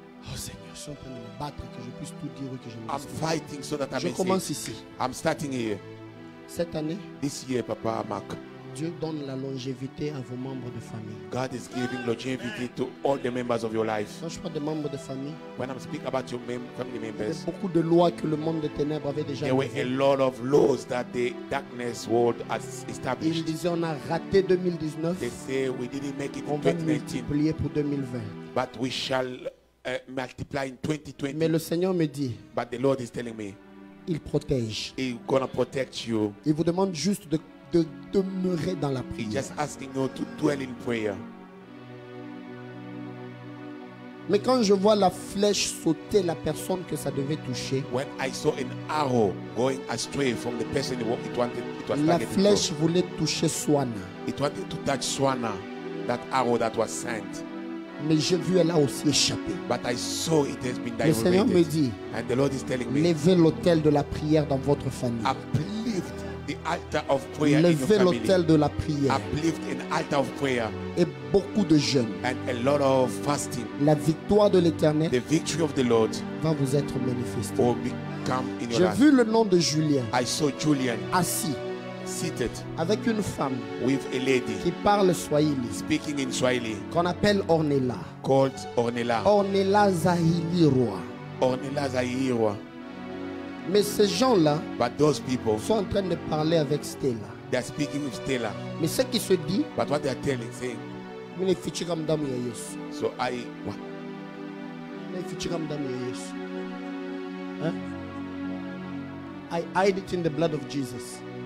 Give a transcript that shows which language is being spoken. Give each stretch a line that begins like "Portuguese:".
French: Oh Seigneur, je suis en train de me battre que je puisse tout dire ou que je
English: I'm fighting so that I
French: je commence ici.
English: I'm starting here.
French: Cette année,
English: this year, Papa Mark,
French: Dieu donne la longévité à vos membres de famille.
English: God is giving longevity to all the members of your life.
French: Quand je parle des membres de famille,
English: when I'm speaking about your family members,
French: il y avait beaucoup de lois que le monde des ténèbres avait déjà.
English: There were a lot of laws that the darkness world has established.
French: Ils disaient on a raté 2019.
English: They say we didn't make it.
French: On va multiplier pour 2020.
English: But we shall multiply in 2020.
French: Mais le Seigneur me dit,
English: but the Lord is telling me,
French: il protège.
English: He's gonna protect you.
French: Il vous demande juste de demeurer dans la prière.
English: He's just asking you to dwell in prayer.
French: Mais quand je vois la flèche sauter la personne que ça devait toucher,
English: when I saw an arrow going astray from the person it wanted, it was targeted.
French: La flèche voulait toucher Swana.
English: It wanted to touch Swana, that arrow that was sent.
French: Mais j'ai vu elle a aussi échappé.
English: But I saw it has been diverted.
French: Le Seigneur me dit,
English: and the Lord is telling me,
French: levez l'autel de la prière dans votre famille.
English: Uplift the altar of prayer.
French: Levez l'autel de la prière.
English: Uplift an altar of prayer.
French: Et beaucoup de jeûne.
English: And a lot of fasting.
French: La victoire de l'Éternel,
English: the victory of the Lord,
French: va vous être manifestée.
English: Will become in your
French: j'ai vu le nom de Julien.
English: I saw Julian
French: assis.
English: Seated
French: avec une femme,
English: with a lady,
French: qui parle Swahili,
English: speaking in Swahili,
French: qu'on appelle Ornella,
English: called Ornella,
French: Ornella Zahiriwa,
English: Ornella Zahiriwa.
French: Mais ces gens-là,
English: but those people,
French: sont en train de parler avec Stella.
English: They are speaking with Stella.
French: Mais ce qui se dit,
English: but what they are telling, saying,
Swahili: mine fichika mdamu ya Yesu.
English: So I what?
Swahili: Mine fichika mdamu ya Yesu.
English: I hide it in the blood of Jesus.